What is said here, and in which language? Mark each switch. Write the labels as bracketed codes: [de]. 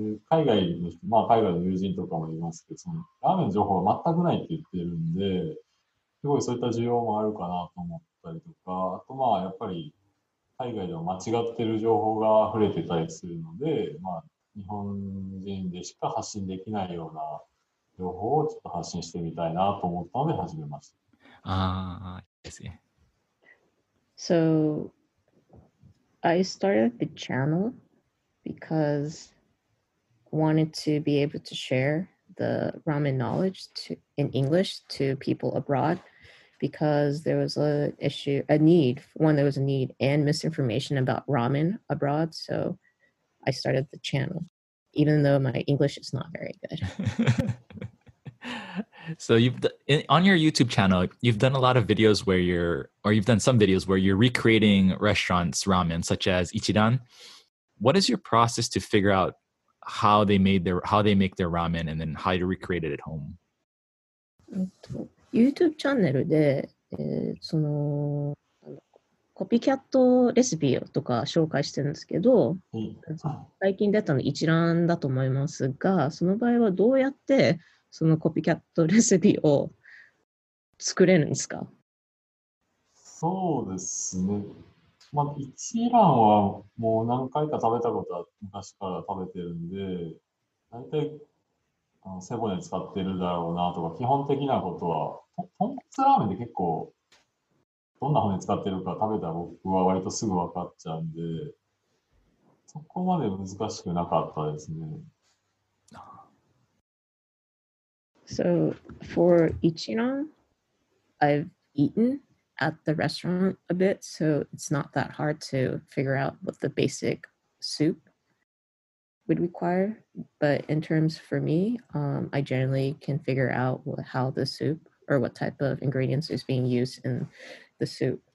[ja] 海外の人、まあ、海外の友人とかもいますけど、ラーメンの情報が全くないって言ってるんで、すごいそういった需要もあるかなと思ったりとか、あとまあ、やっぱり、海外では間違ってる情報が溢れてたりするので、まあ、日本人でしか発信できないような情報をちょっと発信してみたいなと思ったので始めました。 [en] I see. So, I started the channel because I wanted to be able to share the ramen knowledge in English to people abroad. Because there was a need and misinformation about ramen abroad. So I started the channel, even though my English is not very good. So on your YouTube channel, you've done a lot of videos where you're recreating restaurants ramen, such as Ichiran. What is your process to figure out how they make their ramen and then how to recreate it at home? [ja] YouTube チャンネルで、コピーキャットレシピとか紹介してるんですけど、最近出たの一覧だと思いますが、その場合はどうやってそのコピーキャットレシピを作れるんですか？そうですね。まあ、一覧はもう何回か食べたことは昔から食べてるんで、大体背骨使ってるだろうなとか、基本的なことは、豚骨ラーメンで結構、どんな骨使ってるか食べたら僕は割とすぐ分かっちゃうんで、そこまで難しくなかったですね。 [en] So, for Ichiran, I've eaten at the restaurant a bit, so it's not that hard to figure out what the basic soup would require, but in terms for me, I generally can figure out how the soup or what type of ingredients is being used in the soup.